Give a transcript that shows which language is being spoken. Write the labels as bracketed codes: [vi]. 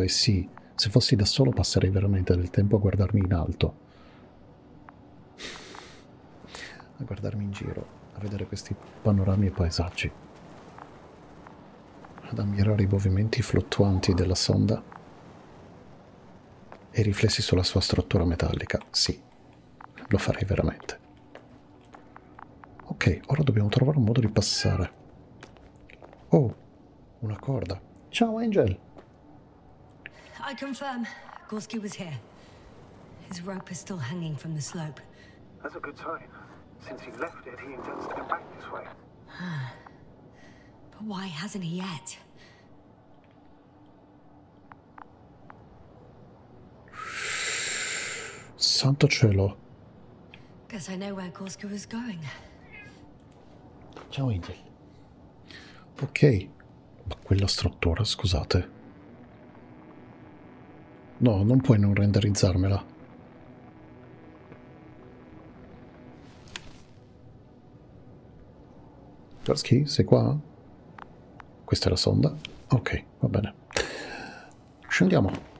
[it] E sì, se fossi da solo passerei veramente del tempo a guardarmi in alto, a guardarmi in giro, a vedere questi panorami e paesaggi, ad ammirare i movimenti fluttuanti della sonda e i riflessi sulla sua struttura metallica. Sì, lo farei veramente. Ok, ora dobbiamo trovare un modo di passare. Oh, una corda. Ciao, Angel. [en] I confirm, Gorski was here. His rope is still hanging from the slope. That's a good sign. Since he left it, he intends to come back this way. But why hasn't he yet? [it] Santo cielo. [en] Guess I know where Gorski was going. [it] Ciao, Angel. Ok. Ma quella struttura, scusate. No, non puoi non renderizzarmela. Gorski, sei qua? Questa è la sonda? Ok, va bene. Scendiamo.